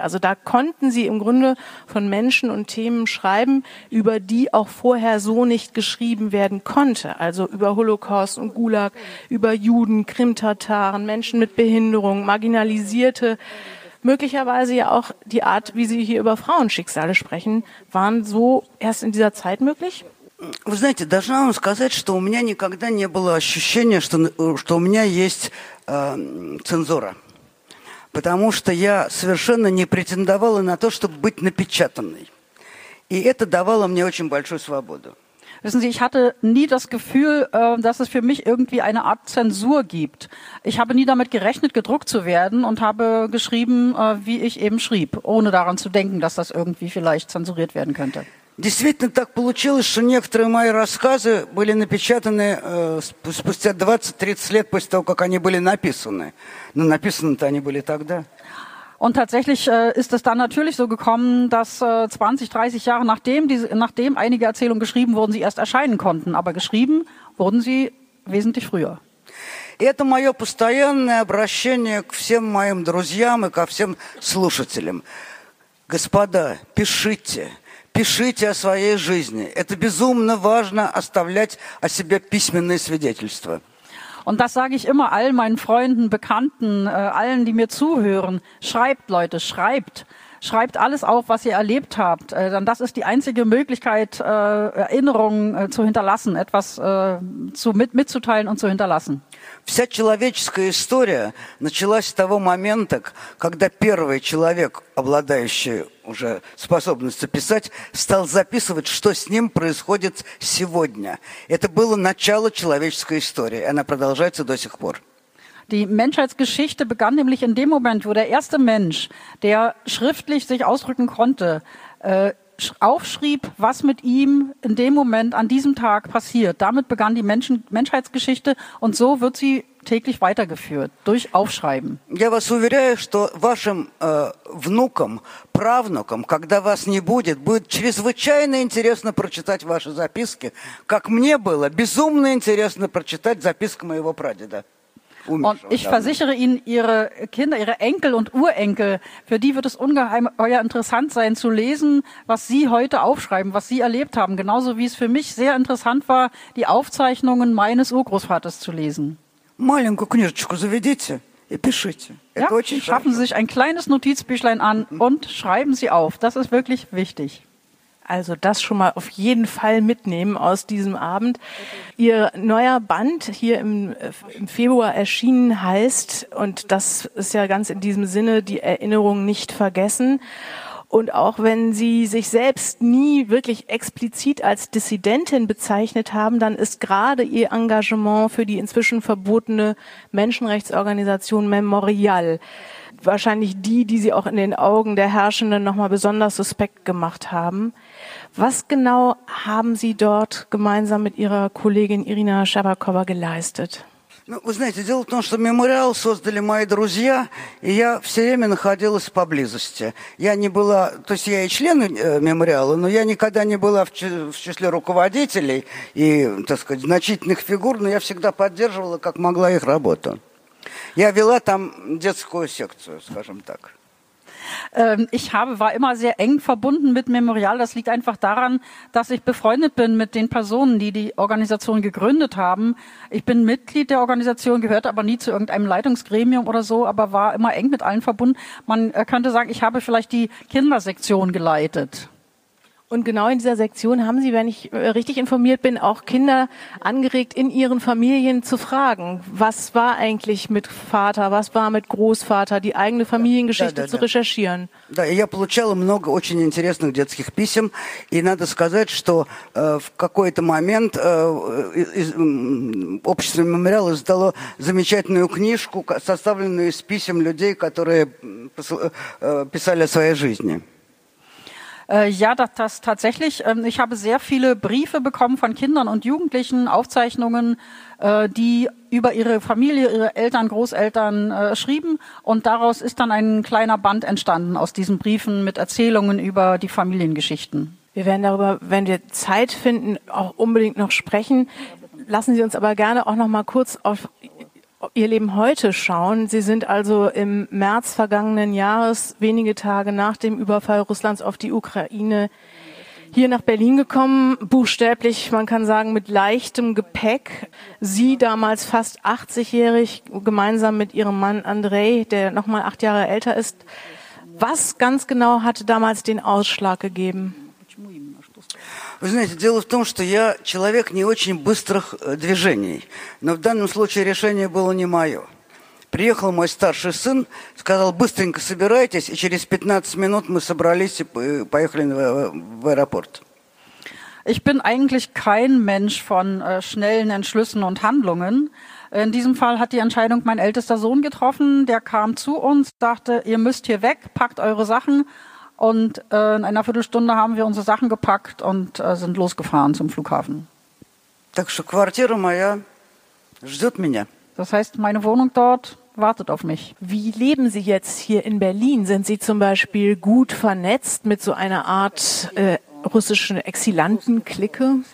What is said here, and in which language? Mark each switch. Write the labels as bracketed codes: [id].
[de] Also da konnten Sie im Grunde von Menschen und Themen schreiben, über die auch vorher so nicht geschrieben werden konnte. Also über Holocaust und Gulag, über Juden, Krimtataren, Menschen mit Behinderung, Marginalisierte. Möglicherweise ja auch die Art, wie Sie hier über Frauenschicksale sprechen, waren so erst in dieser Zeit möglich? [ru] Вы знаете, должна вам сказать, что у меня никогда не было ощущения, что у меня есть цензура. Потому что я совершенно не претендовала на то, чтобы быть напечатанной. И это давало мне очень большую свободу. [de] Wissen Sie, ich hatte nie das Gefühl, dass es für mich irgendwie eine Art Zensur gibt. Ich habe nie damit gerechnet, gedruckt zu werden und habe geschrieben, wie ich eben schrieb, ohne daran zu denken, dass das irgendwie vielleicht zensuriert werden könnte. [ru] Действительно так получилось, что некоторые мои рассказы были напечатаны спустя 20-30 лет после того, как они были написаны. Но написаны-то они были тогда. [de] Und tatsächlich ist es dann natürlich so gekommen, dass 20-30 Jahre nachdem einige Erzählungen geschrieben wurden, sie erst erscheinen konnten. Aber geschrieben wurden sie wesentlich früher. [ru] И это мое постоянное обращение к всем моим друзьям и ко всем слушателям. Господа, пишите. Пишите о своей жизни. Это безумно важно оставлять о себе письменные свидетельства. [de] Und das sage ich immer all meinen Freunden, Bekannten, allen, die mir zuhören. Schreibt, Leute, schreibt. Schreibt alles auf, was ihr erlebt habt. Denn das ist die einzige Möglichkeit, Erinnerungen zu hinterlassen, etwas mitzuteilen und zu hinterlassen. [ru] Вся человеческая история началась с того момента, когда первый человек, обладающий уже способностью писать, стал записывать, что с ним происходит сегодня. Это было начало человеческой истории, и она продолжается до сих пор. [de] Die Menschheitsgeschichte begann nämlich in dem Moment, wo der erste Mensch, der schriftlich sich ausdrücken konnte, aufschrieb, was mit ihm in dem Moment, an diesem Tag passiert. Damit begann die Menschheitsgeschichte und so wird sie täglich weitergeführt, durch Aufschreiben. [ru] Я вас уверяю, что вашим внукам, правнукам, когда вас не будет, будет чрезвычайно интересно прочитать ваши записки, как мне было безумно интересно прочитать записки моего прадеда. [de] Und ich versichere Ihnen, Ihre Kinder, Ihre Enkel und Urenkel, für die wird es ungeheuer interessant sein zu lesen, was Sie heute aufschreiben, was Sie erlebt haben. Genauso wie es für mich sehr interessant war, die Aufzeichnungen meines Urgroßvaters zu lesen. [ru] Маленькую книжечку заведите и пишите. [de] Ja, schaffen Sie sich ein kleines Notizbüchlein an und schreiben Sie auf. Das ist wirklich wichtig. Also das schon mal auf jeden Fall mitnehmen aus diesem Abend. Ihr neuer Band hier im Februar erschienen heißt, und das ist ja ganz in diesem Sinne, die Erinnerung nicht vergessen. Und auch wenn Sie sich selbst nie wirklich explizit als Dissidentin bezeichnet haben, dann ist gerade Ihr Engagement für die inzwischen verbotene Menschenrechtsorganisation Memorial wahrscheinlich die Sie auch in den Augen der Herrschenden nochmal besonders suspekt gemacht haben. Was genau haben Sie dort gemeinsam mit Ihrer Kollegin Irina Schabakowa geleistet? [ru] Вы знаете, дело в том, что мемориал создали мои друзья, и я все время находилась поблизости. Я не была, то есть я и член мемориала, но я никогда не была в числе руководителей и, так сказать, значительных фигур, но я всегда поддерживала, как могла, их работу. Я вела там детскую секцию, скажем так. [de] Ich war immer sehr eng verbunden mit Memorial. Das liegt einfach daran, dass ich befreundet bin mit den Personen, die die Organisation gegründet haben. Ich bin Mitglied der Organisation, gehörte aber nie zu irgendeinem Leitungsgremium oder so, aber war immer eng mit allen verbunden. Man könnte sagen, ich habe vielleicht die Kindersektion geleitet. Und genau in dieser Sektion haben Sie, wenn ich richtig informiert bin, auch Kinder angeregt, in ihren Familien zu fragen, was war eigentlich mit Vater, was war mit Großvater, die eigene Familiengeschichte zu recherchieren. [ru] Да, я получала много очень интересных детских писем, и надо сказать, что в какой-то момент общество мемориала издало замечательную книжку, составленную из писем людей, которые писали о своей жизни. [de] Ja, das tatsächlich. Ich habe sehr viele Briefe bekommen von Kindern und Jugendlichen, Aufzeichnungen, die über ihre Familie, ihre Eltern, Großeltern schrieben. Und daraus ist dann ein kleiner Band entstanden aus diesen Briefen mit Erzählungen über die Familiengeschichten. Wir werden darüber, wenn wir Zeit finden, auch unbedingt noch sprechen. Lassen Sie uns aber gerne auch noch mal kurz auf Ihr Leben heute schauen. Sie sind also im März vergangenen Jahres, wenige Tage nach dem Überfall Russlands auf die Ukraine, hier nach Berlin gekommen, buchstäblich, man kann sagen, mit leichtem Gepäck. Sie, damals fast 80-jährig, gemeinsam mit Ihrem Mann Andrei, der noch mal 8 Jahre älter ist. Was ganz genau hatte damals den Ausschlag gegeben? [ru] Вы знаете, дело в том, что я человек не очень быстрых движений, но в данном случае решение было не мое. Приехал мой старший сын, сказал: быстренько собирайтесь, и через 15 минут мы собрались и поехали в аэропорт. [de] Ich bin eigentlich kein Mensch von schnellen Entschlüssen und Handlungen. In diesem Fall hat die Entscheidung mein ältester Sohn getroffen, der kam zu uns, dachte, ihr müsst hier weg, packt eure Sachen. Und in einer Viertelstunde haben wir unsere Sachen gepackt und sind losgefahren zum Flughafen. [ru] Так что квартира моя ждет меня. [de] Das heißt, meine Wohnung dort wartet auf mich. Wie leben Sie jetzt hier in Berlin? Sind Sie zum Beispiel gut vernetzt mit so einer Art russischen Exilanten-Clique?